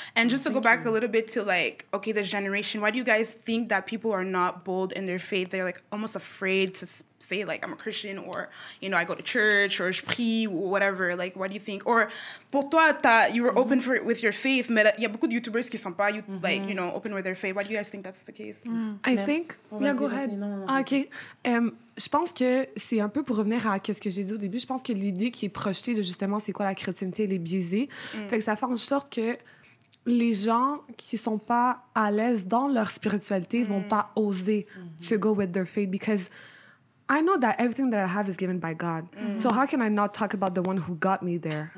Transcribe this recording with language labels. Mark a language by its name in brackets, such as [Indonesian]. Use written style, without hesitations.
[English] And just to go back a little bit to, like, okay, the generation, why do you guys think that people are not bold in their faith? They're, like, almost afraid to speak. Say, like, I'm a Christian, or, you know, I go to church, or [French] je prie, [English] or whatever. Like, what do you think? Or, [French] pour toi, [English] you were mm-hmm. open for it with your faith, [French] mais il y a beaucoup de YouTubers qui sont pas, [English] mm-hmm. like, you know, open with their faith. Why do you guys think that's the case? Mm. Go ahead. [French] Je pense que c'est un peu pour revenir à ce que j'ai dit au début, je pense que l'idée qui est projetée de, justement, c'est quoi la chrétienté, elle est biaisée. Mm. Fait que ça fait en sorte que les gens qui sont pas à l'aise dans leur spiritualité vont pas oser mm-hmm. [English] to go with their faith, because I know that everything that I have is given by God. Mm. So how can I not talk about the one who got me there?